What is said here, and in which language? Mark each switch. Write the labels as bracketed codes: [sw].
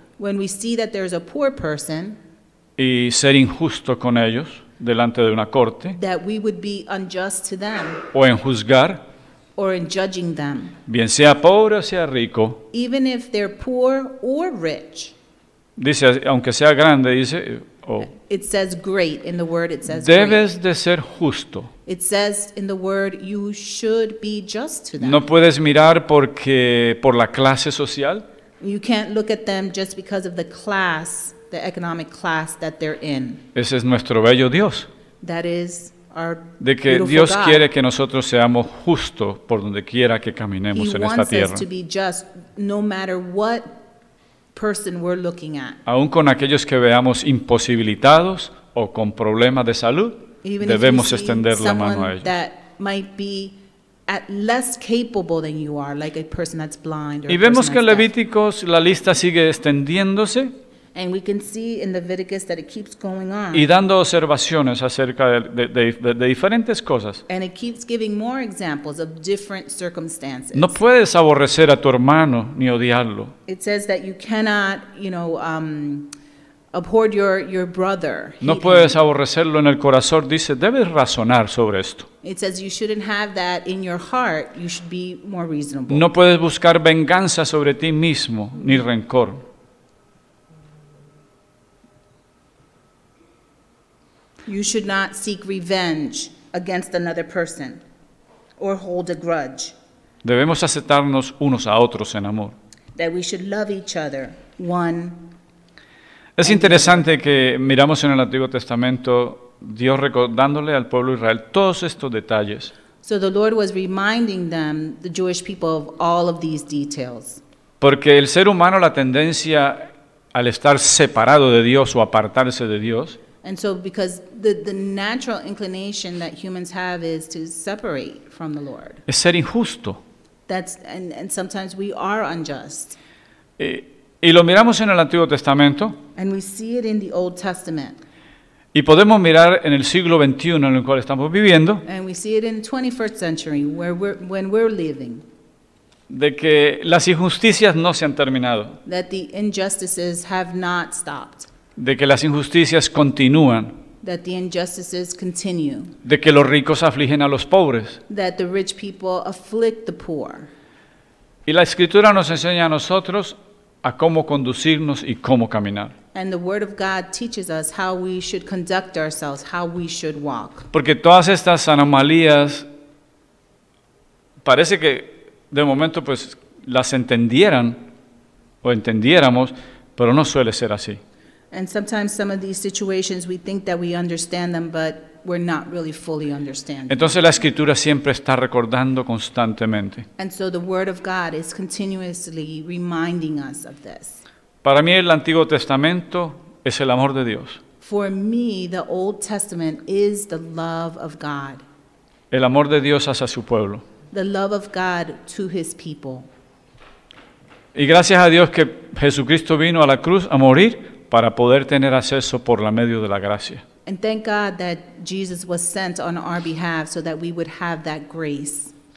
[en] When we see that there's a poor person. [es] Y ser injusto con ellos delante de una corte. [en] That we would be unjust to them. [es] O en juzgar. [en] Or in judging them. [es] Bien sea pobre o sea rico. [en] Even if they're poor or rich. [es] Dice, aunque sea grande, dice, oh. [en] It says great in the word, it says great. [es] Debes de ser justo. [en] It says in the word, you should be just to them. [es] No puedes mirar porque, por la clase social. [en] You can't look at them just because of the class, the economic class that they're in. [es] Ese es nuestro bello Dios. [en] That is our [es] de que Dios [en] God. [es] Quiere que nosotros seamos justos por donde quiera que caminemos [en] He [es] en esta tierra. [en] He wants us to be just, no matter what person we're looking at. [es] Aún con aquellos que veamos imposibilitados o con problemas de salud, [en] even [es] debemos extender la mano a ellos. [en] That might be at less capable than you are, like a person that's blind. Or [es] y vemos que en Levíticos la lista sigue extendiéndose. [en] And we can see in Leviticus that it keeps going on. [es] Y dando observaciones acerca de diferentes cosas. [en] And it keeps giving more examples of different circumstances. [es] No puedes aborrecer a tu hermano ni odiarlo. [en] It says that you cannot, you know, abhor your brother. [es] No puedes aborrecerlo en el corazón. Dice, debes razonar sobre esto. [en] It says you shouldn't have that in your heart. You should be more reasonable. [es] No puedes buscar venganza sobre ti mismo ni rencor. [en] You should not seek revenge against another person or hold a grudge. [es] Debemos aceptarnos unos a otros en amor. [en] That we should love each other, one. [es] Es interesante que miramos en el Antiguo Testamento Dios recordándole al pueblo de Israel todos estos detalles. [en] So the Lord was reminding them, the Jewish people, of all of these details. [es] Porque el ser humano la tendencia al estar separado de Dios o apartarse de Dios. [en] And so because the natural inclination that humans have is to separate from the Lord. [es] Es ser injusto. [en] That's and sometimes we are unjust. [es] Y lo miramos en el Antiguo Testamento. [en] And we see it in the Old Testament. [es] Y podemos mirar en el siglo XXI en el cual estamos viviendo. [en] And we see it in the 21st century where when we're living. [es] De que las injusticias no se han terminado. [en] That the injustices have not stopped. [es] De que las injusticias continúan. [en] That the injustices continue. [es] De que los ricos afligen a los pobres. [en] That the rich people afflict the poor. [es] Y la Escritura nos enseña a nosotros a cómo conducirnos y cómo caminar. [en] And the Word of God teaches us how we should conduct ourselves, how we should walk. [es] Porque todas estas anomalías parece que de momento pues las entendieran o entendiéramos, pero no suele ser así. [en] And sometimes some of these situations we think that we understand them, but we're not really fully understanding. [es] Entonces la Escritura siempre está recordando constantemente. [en] And so the Word of God is continuously reminding us of this. [es] Para mí el Antiguo Testamento es el amor de Dios. [en] For me, the Old Testament is the love of God. [es] El amor de Dios hacia su pueblo. [en] The love of God to His people. [es] Y gracias a Dios que Jesucristo vino a la cruz a morir para poder tener acceso por la medio de la gracia. [en] And thank God that Jesus was sent on our behalf so that we would have that grace.